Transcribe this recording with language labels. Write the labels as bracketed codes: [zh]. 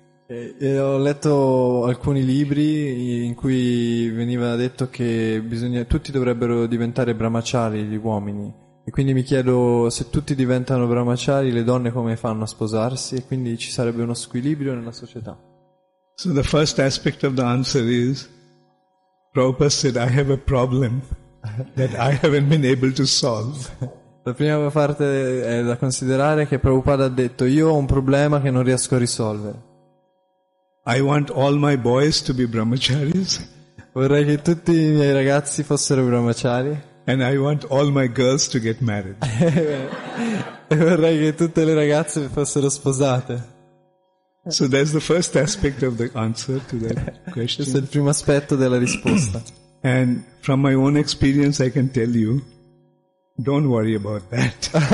[it] Ho letto alcuni libri in cui veniva detto che tutti dovrebbero diventare brahmachari, gli uomini, e quindi mi chiedo se tutti diventano brahmachari, le donne come fanno a sposarsi, e quindi ci sarebbe uno squilibrio nella società. [en] So the first aspect of the answer is, Prabhupada said, I have a problem that I haven't been able to solve. [it] La prima parte è da considerare che Prabhupada ha detto: io ho un problema che non riesco a risolvere. [en] I want all my boys to be brahmacharis. [it] Vorrei che tutti i miei ragazzi fossero brahmachari. [en] And I want all my girls to get married. [it] E vorrei che tutte le ragazze fossero sposate. [en] So that's the first aspect of the answer to that question. [it] Questo è il primo aspetto della risposta. [en] And from my own experience I can tell you, don't worry about that.